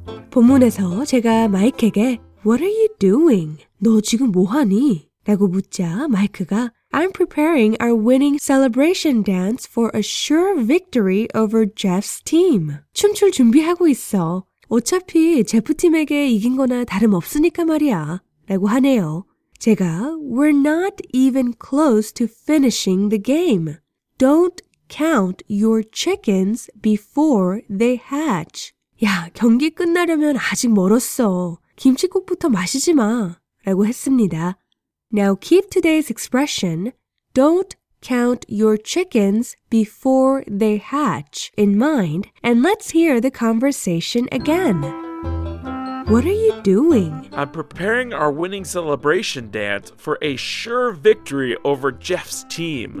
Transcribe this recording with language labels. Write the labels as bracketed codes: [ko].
[ko] 본문에서 제가 마이크에게 [en] What are you doing? [ko] 너 지금 뭐 하니? 라고 묻자 마이크가 [en] I'm preparing our winning celebration dance for a sure victory over Jeff's team. [ko] 춤출 준비하고 있어. 어차피 제프 팀에게 이긴 거나 다름없으니까 말이야. 라고 하네요. 제가 [en] We're not even close to finishing the game. Don't count your chickens before they hatch. [ko] 야, 경기 끝나려면 아직 멀었어. 김칫국부터 마시지 마. 라고 했습니다. [en] Now keep today's expression, don't count your chickens before they hatch, in mind, and let's hear the conversation again. What are you doing? I'm preparing our winning celebration dance for a sure victory over Jeff's team.